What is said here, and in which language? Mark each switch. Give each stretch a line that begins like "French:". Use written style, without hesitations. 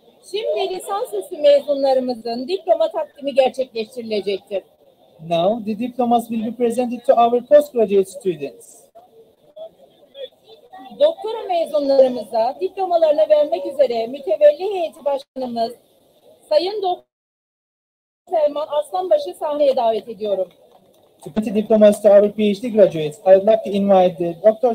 Turkish: Şimdi lisansüstü mezunlarımızın diploma takdimi gerçekleştirilecektir.
English: Now the diplomas will be presented to our postgraduate students.
Turkish: Doktora mezunlarımıza diplomalarını vermek üzere mütevelli heyeti başkanımız Sayın Doktor Selman Aslanbaşı sahneye davet ediyorum.
English: To present diplomas to our PhD graduates, I'd like to invite the Dr.